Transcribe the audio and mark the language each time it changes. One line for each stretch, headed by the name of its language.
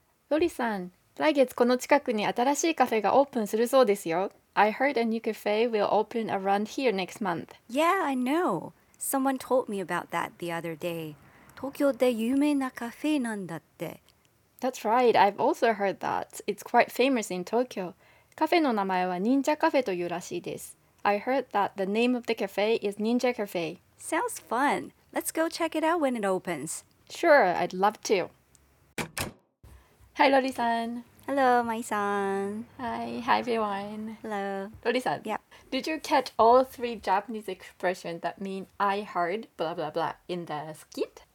Japanese: Lori san, 来月この近くに新しいカフェがオープンするそうですよ。
English: I heard a new cafe will open around here next month. Yeah, I know. Someone told me about that the other day.
Japanese: 東京で有名なカフェなんだって。
English: That's right. I've also heard that. It's quite famous in Tokyo.
Japanese: カフェの名前は忍者カフェというらしいです。
English: I heard that the name of the cafe is 忍者カフェ。 Sounds fun. Let's go check it out when it opens. Sure, I'd love to. Hi, Lori-san. Hello, Mai-san. Hi, hi, everyone. Hello. Lori-san. Yeah. Did you catch all three Japanese expressions that mean I heard blah, blah, blah in the skit?